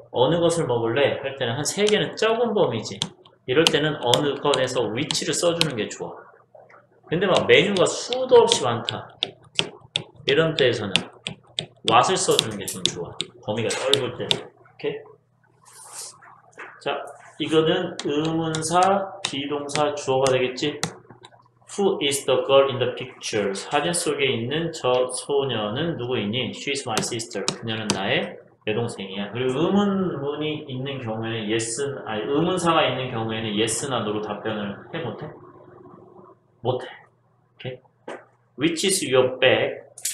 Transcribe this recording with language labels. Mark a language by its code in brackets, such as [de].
[ko] 어느 것을 먹을래? 할 때는 한세 개는 적은 범위지. 이럴 때는 어느 것에서 which를 써주는 게 좋아. 근데 막 메뉴가 수도 없이 많다. 이런 때에서는 what을 써주는 게좀 좋아. 범위가 넓을 때. 오케이? 자, 이거는 의문사, 비동사, 주어가 되겠지? [en] Who is the girl in the picture? [ko] 사진 속에 있는 저 소녀는 누구이니? [en] She is my sister. [ko] 그녀는 나의 여동생이야. 그리고 의문문이 있는 경우에는 yes, 아니, 의문사가 있는 경우에는 yes나 no로 답변을 해 못해? 못해. 오케이? [en] Which is your bag?